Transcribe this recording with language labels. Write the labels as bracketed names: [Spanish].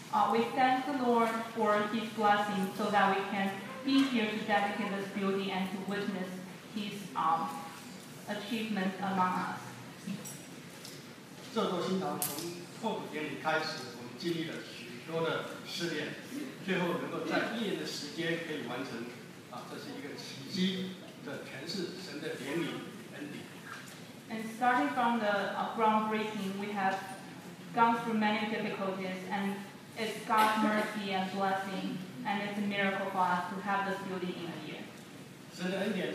[English] We thank the Lord for His blessing so that we can be here to dedicate this building and to witness His achievement among us. [Chinese] 这座新堂从破土建立开始，我们经历了许多的试炼，最后能够在一年的时间可以完成，这是一个奇迹，这全是神的怜悯恩典。 [English] And starting from the groundbreaking, we have gone through many difficulties, and it's God's mercy and blessing, and it's a miracle for us to have this building in a year.